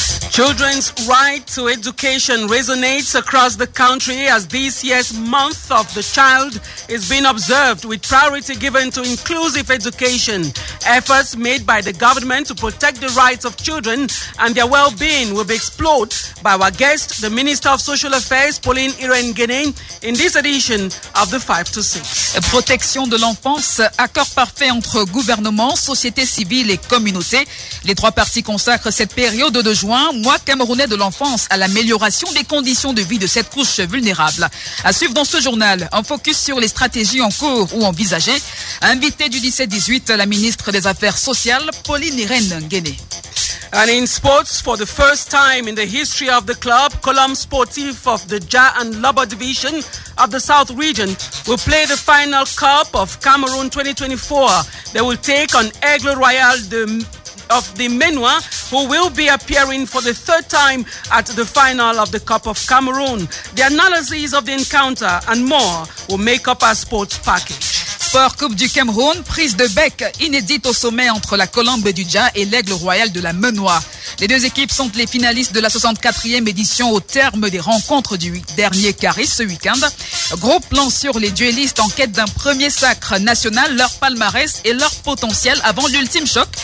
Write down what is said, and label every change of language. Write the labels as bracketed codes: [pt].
[en] Children's right to education resonates across the country as this year's Month of the Child is being observed, with priority given to inclusive education. Efforts made by the government to protect the rights of children and their well-being will be explored by our guest, the Minister of Social Affairs, Pauline Irengene, in this edition of the 5 to 6. [fr] Protection de l'enfance, accord parfait entre gouvernement, société civile et communauté. Les trois parties consacrent cette période de juin, mois camerounais de l'enfance, à l'amélioration des conditions de vie de cette couche vulnérable. À suivre dans ce journal, un focus sur les stratégies en cours ou envisagées. Invité du 17-18, la ministre des Affaires sociales, Pauline Irène Nguéné. [en] And in sports, for the first time in the history of the club, Colombe Sportif of the Ja and Loba division of the South Region will play the final cup of Cameroon 2024. They will take on Aigle Royal of the Menwa, who will be appearing for the third time at the final of the Cup of Cameroon. The analysis of the encounter and more will make up our sports package. [fr] Sport Coupe du Cameroun, prise de bec inédite au sommet entre la Colombe du Dja et l'Aigle Royal de la Menwa. Les deux équipes sont les finalistes de la 64e édition au terme des rencontres du dernier carré ce week-end. Gros plan sur les duellistes en quête d'un premier sacre national, leur palmarès et leur potentiel avant l'ultime choc.